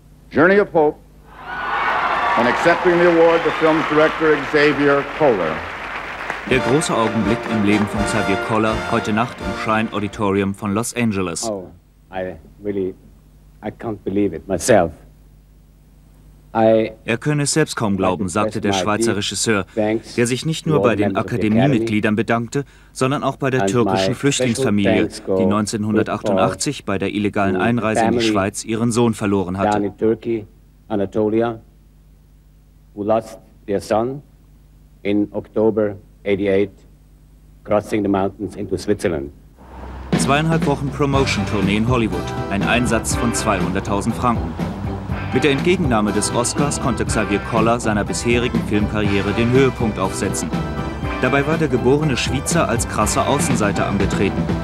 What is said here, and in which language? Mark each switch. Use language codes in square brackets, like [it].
[en] Journey of Hope, and accepting the award, the film's director Xavier Koller. [de] Der große Augenblick im Leben von Xavier Koller, heute Nacht im Shrine Auditorium von Los Angeles. [en] Oh, I can't believe it myself. [de] Er könne es selbst kaum glauben, sagte der Schweizer Regisseur, der sich nicht nur bei den Akademiemitgliedern bedankte, sondern auch bei der türkischen Flüchtlingsfamilie, die 1988 bei der illegalen Einreise in die Schweiz ihren Sohn verloren hatte. [en] In Turkey, Anatolia, who lost their son in October 88, crossing the mountains into Switzerland. [de] 2,5 Wochen Promotion-Tournee in Hollywood, ein Einsatz von 200.000 Franken. Mit der Entgegennahme des Oscars konnte Xavier Koller seiner bisherigen Filmkarriere den Höhepunkt aufsetzen. Dabei war der geborene Schweizer als krasser Außenseiter angetreten.